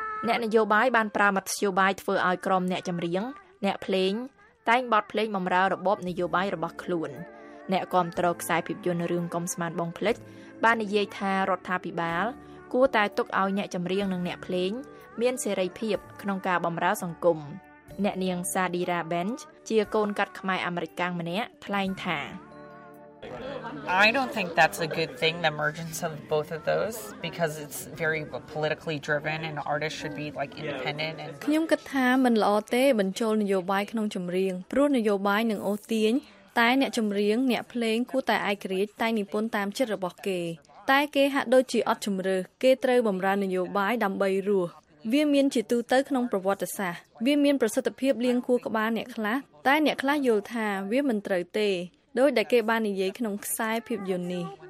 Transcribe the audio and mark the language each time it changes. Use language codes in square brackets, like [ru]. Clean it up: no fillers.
[km] អ្នកនយោបាយបានប្រើមធ្យោបាយធ្វើឲ្យក្រុមអ្នកចម្រៀងអ្នកភ្លេងតែងបទភ្លេងបម្រើរបបនយោបាយរបស់ខ្លួនអ្នកគាំទ្រខ្សែភាពយន្តរឿងកុំស្មានបងភ្លេចបាននិយាយថារដ្ឋាភិបាលគួរតែទុកឲ្យអ្នកចម្រៀងនិងអ្នកភ្លេងមានសេរីភាពក្នុងការបម្រើសង្គមអ្នកនាងសាឌីរ៉ាបេនជាកូនកាត់ខ្មែរអាមេរិកកាំងម្នាក់ថ្លែងថា [en] I don't think that's a good thing, the emergence of both of those, because it's very politically driven and artists should be like independent. [km] ខ្ញុំគិតថាមិនល្អទេបញ្ចូលនយោបាយក្នុងចម្រៀងព្រោះនយោបាយនឹងអូសទាញតែអ្នកចម្រៀងអ្នកភ្លេងគួរតែឯករាជ្យតែនិពន្ធតាមចិត្តរបស់គេតែគេហាក់ដូចជាអត់ជំរឿគេត្រូវបម្រើនយោបាយដើម្បីរស់វាមានជាទូទៅក្នុងប្រវត្តិសាស្ត្រវាមានប្រសិទ្ធភាពលៀងគួរក្បាលអ្នកខ្លះតែអ្នកខ្លះយល់ថាវាមិនត្រូវទេដោយដែលគេបាននិយាយក្នុងខ្សែភាពយន្តនេះ